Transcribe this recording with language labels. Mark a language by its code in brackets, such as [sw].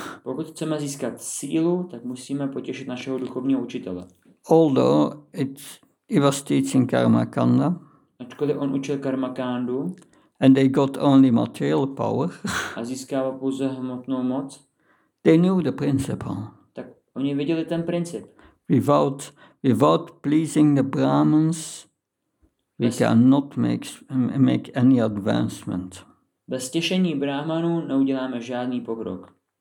[cs] Pokud chceme získat sílu, tak musíme potěšit našeho duchovního učitele. [en] Although he was teaching Karmakanda. [cs] Ačkoliv on učil Karmakandu. [en] And they got only material power. [cs] A získává pouze hmotnou moc. [en] They knew the principle. [cs] Tak oni viděli ten princip. [en] Without pleasing the Brahmins, we cannot make any advancement. [cs] Bez těšení Brahmanů neuděláme žádný pokrok.